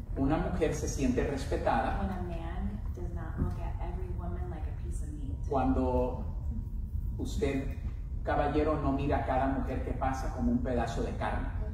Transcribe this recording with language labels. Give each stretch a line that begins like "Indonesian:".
Spanish: Una mujer se siente respetada.
English: When a man does not look at every woman like a piece of meat.
Spanish: Cuando usted, caballero, no mira a cada mujer que pasa como un pedazo de carne.